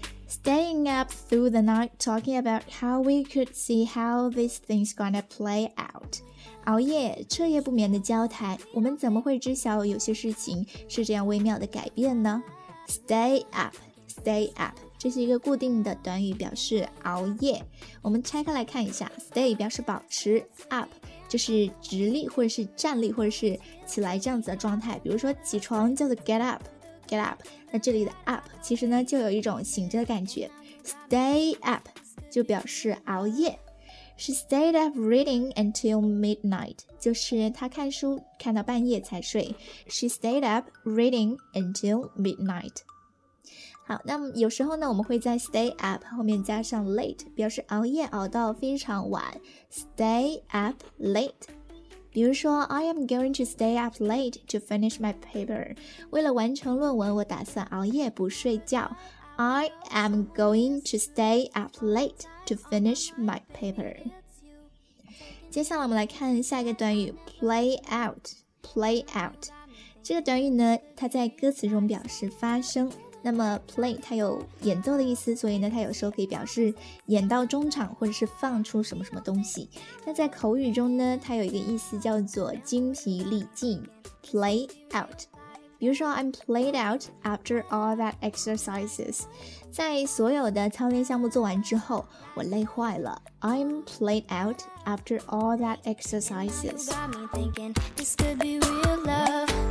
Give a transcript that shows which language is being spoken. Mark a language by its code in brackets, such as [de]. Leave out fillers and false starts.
[en] Staying up through the night talking about how we could see how this thing's gonna play out. [zh] 熬夜彻夜不眠的交谈，我们怎么会知晓有些事情是这样微妙的改变呢？ Stay up, stay up 这是一个固定的短语，表示熬夜。我们拆开来看一下， stay 表示保持， up 就是直立或者是站立或者是起来这样子的状态。比如说起床叫做 get up, get up, 那这里的 up 其实呢就有一种醒着的感觉。 Stay up 就表示熬夜。 [en] She stayed up reading until midnight. [zh] 就是她看书看到半夜才睡。 [en] She stayed up reading until midnight. [zh] 好，那么有时候呢，我们会在 stay up 后面加上 late， 表示熬夜熬到非常晚。 [en] Stay up late. [zh] 比如说 [en] ，I am going to stay up late to finish my paper. [zh] 为了完成论文，我打算熬夜不睡觉。 [en] I am going to stay up late to finish my paper. [zh] 接下来我们来看下一个短语 play out, play out. 这个短语呢它在歌词中表示发生，那么 play 它有演奏的意思，所以呢它有时候可以表示演到中场或者是放出什么什么东西。那在口语中呢它有一个意思叫做精疲力尽， play out. 比如说 [en] I'm played out after all that exercises. [zh] 在所有的操练项目做完之后我累坏了 [en] I'm played out after all that exercises. You got me thinking this could be real love.